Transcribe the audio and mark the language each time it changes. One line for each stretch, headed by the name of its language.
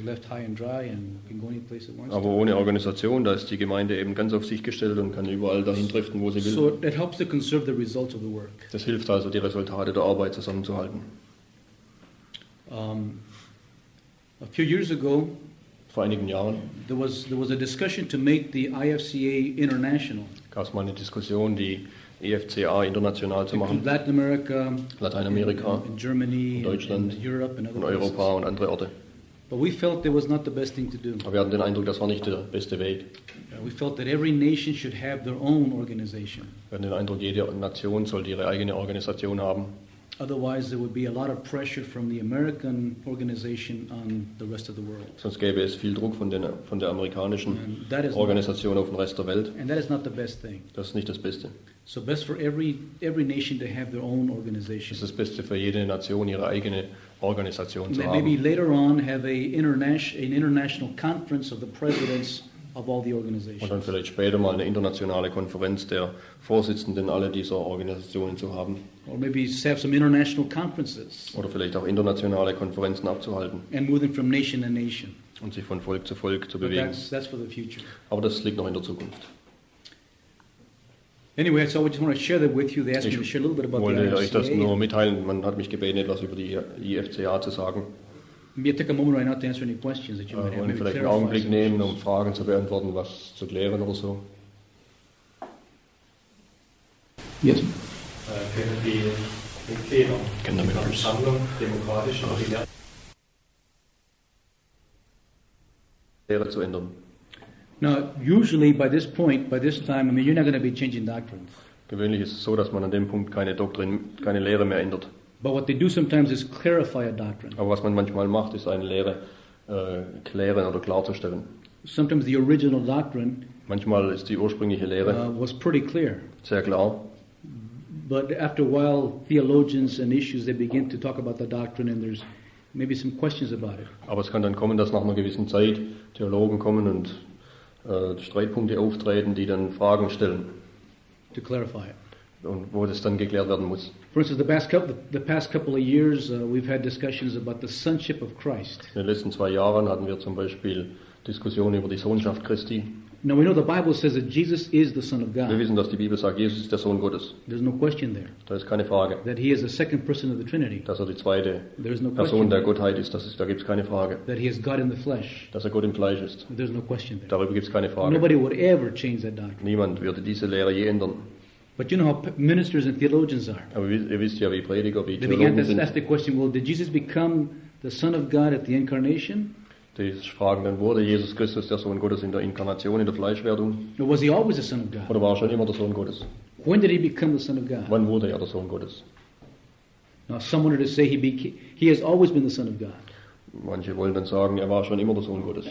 German: Aber ohne Organisation, da ist die Gemeinde eben ganz auf sich gestellt und kann überall dahin driften, wo sie will.
English: So it helps to conserve the results of the work.
German: Das hilft also, die Resultate der Arbeit zusammenzuhalten.
English: A few years ago,
German: vor einigen Jahren,
English: there was a discussion to make the IFCA international.
German: Gab es mal eine Diskussion, die IFCA international zu machen.
English: Latin America,
German: Lateinamerika,
English: in Germany,
German: in Deutschland,
English: in Europe and other
German: in Europa und andere Orte.
English: But we felt there was not the best thing to do.
German: Aber wir hatten den Eindruck, das war nicht der beste Weg.
English: We felt that every nation should have their own organization.
German: Wir hatten den Eindruck, jede Nation sollte ihre eigene Organisation haben.
English: Otherwise, there would be a lot of pressure from the American organization on the rest of the world.
German: Sonst gäbe es viel Druck von der amerikanischen Organisation auf den Rest der Welt.
English: And that is not the best thing.
German: Das ist nicht das Beste.
English: So best for every nation to have their own organization.
German: Es ist das Beste für jede Nation, ihre eigene Organisation zu haben.
English: Maybe later on have an international conference of the presidents of all the organizations.
German: Und dann vielleicht später mal eine internationale Konferenz der Vorsitzenden aller dieser Organisationen zu haben.
English: Or maybe have some international conferences.
German: Oder vielleicht auch internationale Konferenzen abzuhalten.
English: And moving from nation to nation.
German: Und sich von Volk zu Volk zu bewegen.
English: That's for the future.
German: Aber das liegt noch in der Zukunft.
English: Anyway, so I just want to share that with you. They asked me to share a little bit about the IFCA.
German: Wollte euch das nur mitteilen. Man hat mich gebeten, etwas über die IFCA zu sagen.
English: Maybe take a moment right now to answer any questions that you might have.
German: Und vielleicht einen Augenblick nehmen, um Fragen zu beantworten, was zu klären oder so.
English: Yes.
German: Können wir die Empfehlung der Versammlung demokratisch Lehre zu ändern?
English: Now, usually by this point, by this time, I mean, you're not going to be changing doctrines.
German: Gewöhnlich ist es so, dass man an dem Punkt keine Doktrin, keine Lehre mehr ändert.
English: But what they do sometimes is clarify a doctrine.
German: Aber was man manchmal macht, ist eine Lehre klären oder klarzustellen.
English: Sometimes the original doctrine.
German: Manchmal ist die ursprüngliche Lehre
English: was pretty clear.
German: Sehr klar.
English: But after a while, theologians and issues they begin to talk about the doctrine, and there's maybe some questions about it.
German: Aber es kann dann kommen, dass nach einer gewissen Zeit Theologen kommen und Streitpunkte auftreten, die dann Fragen stellen.
English: To clarify it.
German: Und wo das dann geklärt werden muss.
English: For instance, the past couple of years, we've had discussions about the sonship of Christ.
German: In den letzten zwei Jahren hatten wir zum Beispiel Diskussionen über die Sohnschaft Christi.
English: Now we know the Bible says that Jesus is the Son of God.
German: Wir wissen, dass die Bibel sagt, Jesus ist der Sohn Gottes.
English: There's no question there.
German: Da ist keine Frage.
English: That he is the second person of the Trinity.
German: Dass er die zweite Person der Gottheit ist, da gibt es keine Frage.
English: That he is God in the flesh.
German: Dass er Gott im Fleisch ist.
English: There's no question there.
German: Darüber gibt es keine Frage.
English: Nobody would ever change that doctrine.
German: Niemand würde diese Lehre je ändern.
English: But you know how ministers and theologians are.
German: Aber ihr wisst ja, wie Prediger, wie Theologen sind.
English: They began to ask the question, well, did Jesus become the Son of God at the incarnation?
German: Die fragen dann, wurde Jesus Christus der Sohn Gottes in der Inkarnation, in der Fleischwerdung?
English: Or was he always the Son of God?
German: Oder war er schon immer der Sohn Gottes?
English: When did he become the Son of God?
German: Wann wurde er der Sohn Gottes?
English: Now some wanted to say he has always been the Son of God.
German: Manche wollen dann sagen, er war schon immer der Sohn Gottes.